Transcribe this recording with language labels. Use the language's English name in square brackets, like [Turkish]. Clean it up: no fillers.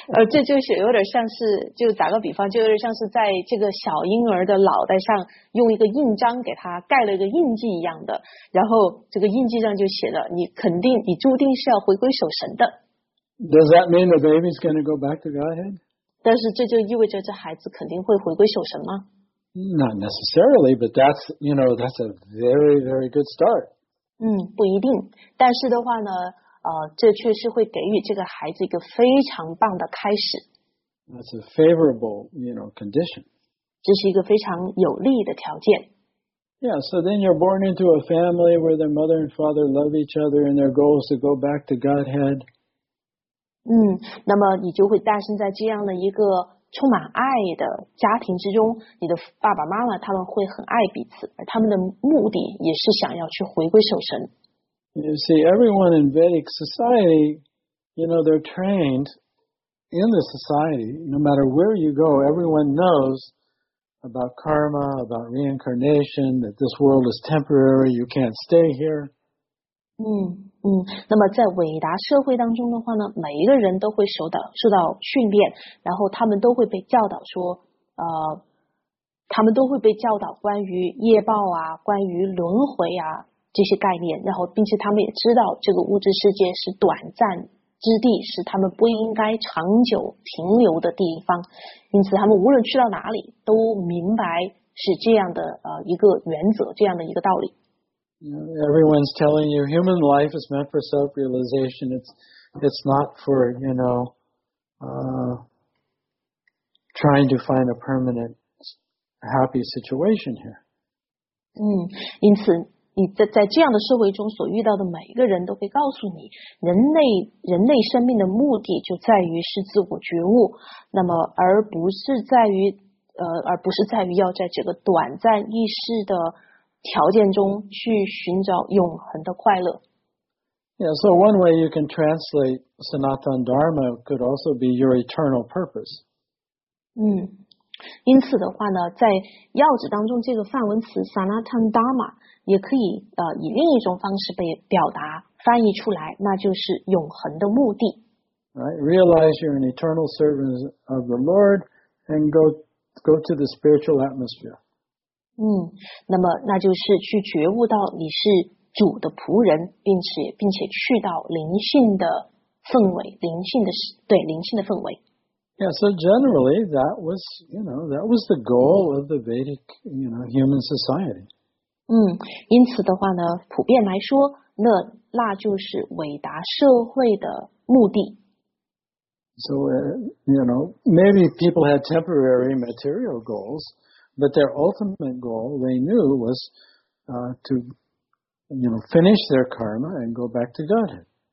[Chinese] 这就是有点像是就打个比方，就有点像是在这个小婴儿的脑袋上用一个印章给他盖了一个印记一样的，然后这个印记上就写了你肯定你注定是要回归守神的。 [English] Does that mean the baby's going to go back to Godhead? [Chinese] 但是这就意味着这孩子肯定会回归守神吗？ [English] Not necessarily, but that's, you know, that's a very, very good start. [Chinese] 不一定。但是的话呢，这确实会给予这个孩子一个非常棒的开始。 [English] That's a favorable, you know, condition. [Chinese] 这是一个非常有利的条件。 [English] Yeah, so then you're born into a family where their mother and father love each other and their goal is to go back to Godhead. [Chinese] 那么你就会诞生在这样的一个充满爱的家庭之中，你的爸爸妈妈他们会很爱彼此，而他们的目的也是想要去回归守神。 [English] You see, everyone in Vedic society, you know, they're trained in the society. No matter where you go, everyone knows about karma, about reincarnation, that this world is temporary, you can't stay here. [Chinese] 那么在伟达社会当中的话呢，每一个人都会受到训练，然后他们都会被教导说，他们都会被教导关于业报啊，关于轮回啊这些概念，然后并且他们也知道这个物质世界是短暂之地，是他们不应该长久停留的地方，因此他们无论去到哪里都明白是这样的一个原则，这样的一个道理。 [English] Everyone's telling you human life is meant for self-realization. It's not for, you know, trying to find a permanent happy situation here. [Chinese] 因此你在这样的社会中所遇到的每一个人都会告诉你，人类生命的目的就在于是自我觉悟，那么而不是在于要在这个短暂意识的条件中去寻找永恒的快乐。 [English] Yeah, so one way you can translate Sanatan Dharma could also be your eternal purpose. [Chinese] 因此的话呢，在药旨当中这个梵文词 Sanatan Dharma 也可以以另一种方式被表达翻译出来，那就是永恒的目的。 [English] Right, realize you're an eternal servant of the Lord and go to the spiritual atmosphere. [Chinese] 那么那就是去觉悟到你是主的仆人，并且去到灵性的氛围，灵性的氛围。 [English] Yeah, so generally that was, you know, that was the goal of the Vedic, you know, human society. [Chinese] 因此的话呢，普遍来说，那就是伟达社会的目的。 [English] So, you know, maybe people had temporary material goals. But their ultimate goal, they knew, was to, you know, finish their karma and go back to Godhead.